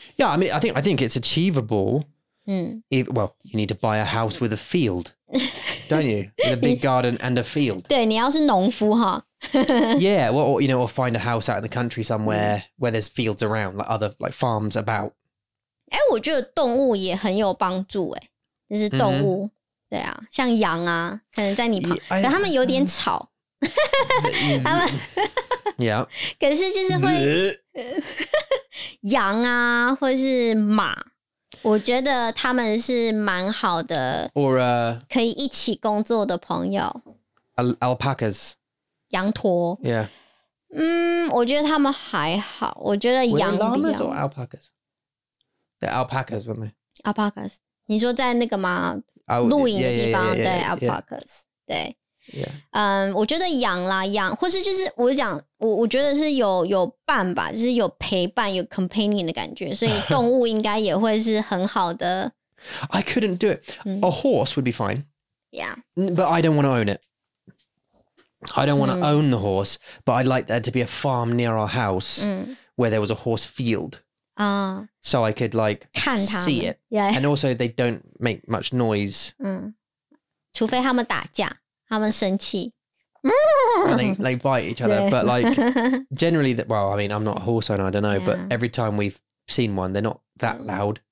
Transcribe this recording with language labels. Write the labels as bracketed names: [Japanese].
[English] Yeah, I mean, I think it's achievable. If, well, you need to buy a house with a field, don't you? With a big garden and a field. [Chinese] 对，你要是农夫哈。 [English] Yeah, well, or, you know, or find a house out in the country somewhere where there's fields around, like other, like farms about. [Chinese] 哎，我觉得动物也很有帮助哎，就是动物。 Mm-hmm. 对啊，像羊啊，可能在你旁，可他们有点吵，他们，可是就是会羊啊，或是马，我觉得他们是蛮好的 [English] ，or [Chinese] 可以一起工作的朋友 [English] ，alpacas， [Chinese] 羊驼 [English] ，yeah， [Chinese] 我觉得他们还好，我觉得羊比较 [English] ，were they llamas or alpacas? They're alpacas, weren't they? [Chinese] Alpacas，你说在那个吗？露营的地方 [English] yeah, [Chinese] 对 [English] alpacas [Chinese] 对，我觉得羊啦羊或是就是我讲我觉得是有伴吧就是有陪伴有 companion 的感觉所以动物应该也会是很好的 [English] I couldn't do it A horse would be fine Yeah But I don't want to own it I don't want to own the horse But I'd like there to be a farm near our house Where there was a horse fieldSo I could like see it. Yeah. And also they don't make much noise. [Chinese] 除非他们打架,他们生气。 [English] They bite each other. But like generally, well, I mean, I'm not a horse owner, I don't know. But every time we've seen one, they're not that loud.